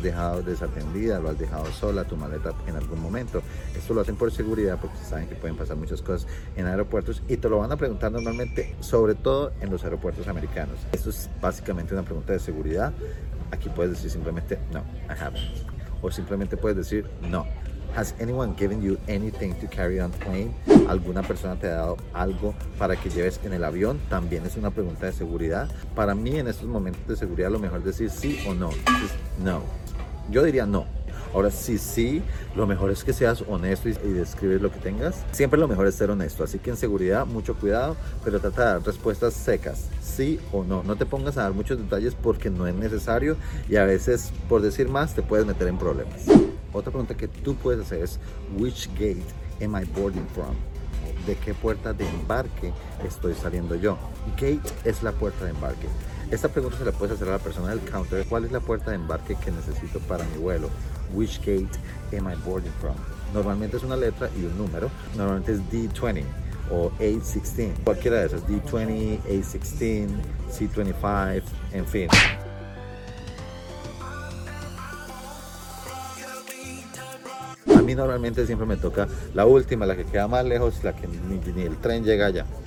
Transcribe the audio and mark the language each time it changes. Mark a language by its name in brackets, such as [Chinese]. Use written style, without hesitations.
[Spanish] ¿Has dejado desatendida? ¿Lo has dejado sola tu maleta en algún momento? Esto lo hacen por seguridad porque saben que pueden pasar muchas cosas en aeropuertos y te lo van a preguntar normalmente, sobre todo en los aeropuertos americanos. Esto es básicamente una pregunta de seguridad. Aquí puedes decir simplemente, [English] no, I haven't. [Spanish] O simplemente puedes decir, no. [English] Has anyone given you anything to carry on plane? [Spanish] ¿Alguna persona te ha dado algo para que lleves en el avión? También es una pregunta de seguridad. Para mí en estos momentos de seguridad lo mejor es decir sí o no. Es no. Yo diría no. Ahora, si sí, lo mejor es que seas honesto y describes lo que tengas. Siempre lo mejor es ser honesto. Así que en seguridad, mucho cuidado, pero trata de dar respuestas secas. Sí o no. No te pongas a dar muchos detalles porque no es necesario. Y a veces, por decir más, te puedes meter en problemas. Otra pregunta que tú puedes hacer es, [English] which gate am I boarding from? [Spanish] ¿De qué puerta de embarque estoy saliendo yo? Gate es la puerta de embarque. Esta pregunta se la puedes hacer a la persona del counter. ¿Cuál es la puerta de embarque que necesito para mi vuelo? [English] Which gate am I boarding from? [Spanish] Normalmente es una letra y un número. Normalmente es D20 o A16. Cualquiera de esas, D20, A16, C25, en fin. A mí normalmente siempre me toca la última, la que queda más lejos, la que ni el tren llega allá.